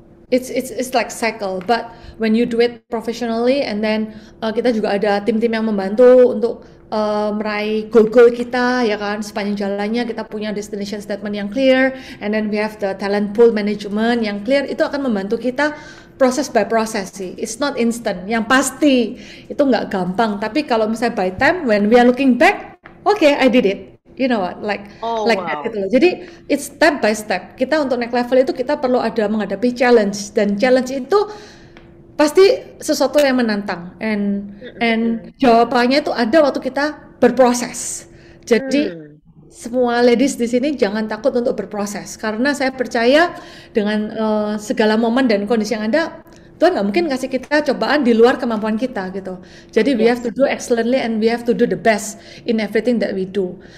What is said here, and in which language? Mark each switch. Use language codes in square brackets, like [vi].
[en] It's like cycle. But when you do it professionally, and then [id] kita juga ada tim-tim yang membantu untuk meraih goal-goal kita, ya kan? Sepanjang jalannya kita punya [en] destination statement yang clear, and then we have the talent pool management yang clear. [id] Itu akan membantu kita. [en] Process by process sih, it's not instant. [id] Yang pasti itu nggak gampang. Tapi kalau misalnya [en] by time when we are looking back, okay, I did it. You know what? Like that [id] gitu loh. Jadi [en] it's step by step. [id] Kita untuk next level itu kita perlu ada menghadapi challenge, dan challenge itu pasti sesuatu yang menantang. And jawabannya itu ada waktu kita berproses. Jadi semua ladies di sini jangan takut untuk berproses, karena saya percaya dengan segala momen dan kondisi yang ada, Tuhan nggak mungkin kasih kita cobaan di luar kemampuan kita gitu. [en] Jadi we have to do excellently and we have to do the best in everything that we do.